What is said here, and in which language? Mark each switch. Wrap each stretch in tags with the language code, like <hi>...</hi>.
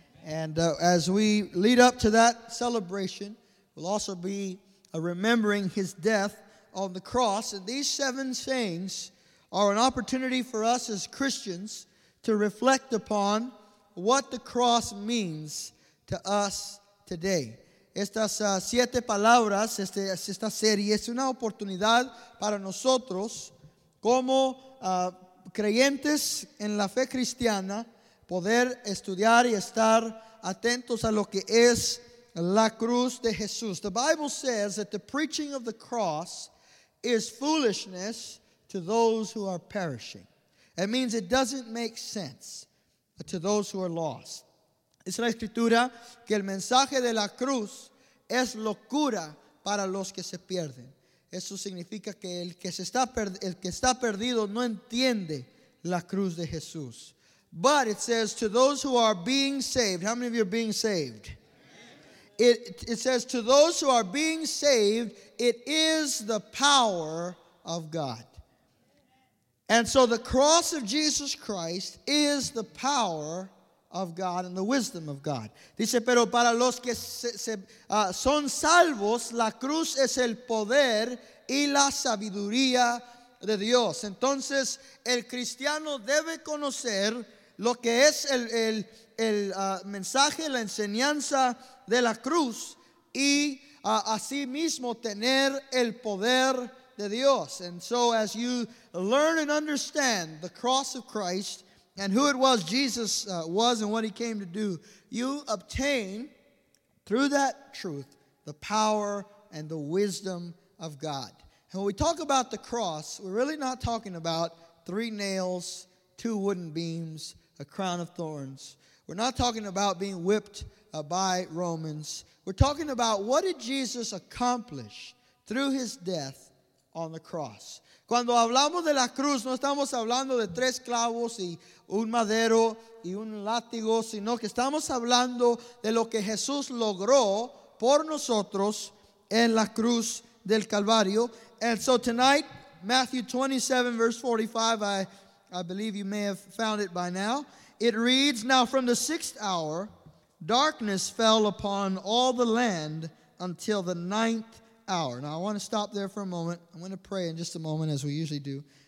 <en>And as we lead up to that celebration, we'll also be remembering his death on the cross. And these seven sayings are an opportunity for us as Christians to reflect upon what the cross means to us today.</en> <es>Estas siete palabras, esta serie, es una oportunidad para nosotros como creyentes en la fe cristiana poder estudiar y estar atentos a lo que es la cruz de Jesús.</es> <en>The Bible says that the preaching of the cross is foolishness to those who are perishing. It means it doesn't make sense to those who are lost.</en> <es>Es la escritura que el mensaje de la cruz es locura para los que se pierden. Eso significa que el que está perdido no entiende la cruz de Jesús.</es> <en>But it says to those who are being saved. How many of you are being saved? It says to those who are being saved, it is the power of God. And so the cross of Jesus Christ is the power of God and the wisdom of God.</en> <es>Dice, pero para los que son salvos, la cruz es el poder y la sabiduría de Dios. Entonces, el cristiano debe conocer lo que es el mensaje, la enseñanza de la cruz y así mismo tener el poder de Dios.</es> <en>And so as you learn and understand the cross of Christ and who it was Jesus was and what he came to do, you obtain through that truth the power and the wisdom of God. And when we talk about the cross, we're really not talking about three nails, two wooden beams, a crown of thorns. We're not talking about being whipped by Romans. We're talking about what did Jesus accomplish through his death on the cross.</en> <es>Cuando hablamos de la cruz, no estamos hablando de tres clavos y un madero y un látigo, sino que estamos hablando de lo que Jesús logró por nosotros en la cruz del Calvario.</es> <en>And so tonight, Matthew 27, verse 45, I believe you may have found it by now. It reads, now from the sixth hour, darkness fell upon all the land until the ninth hour. Now I want to stop there for a moment. I'm going to pray in just a moment as we usually do.</en>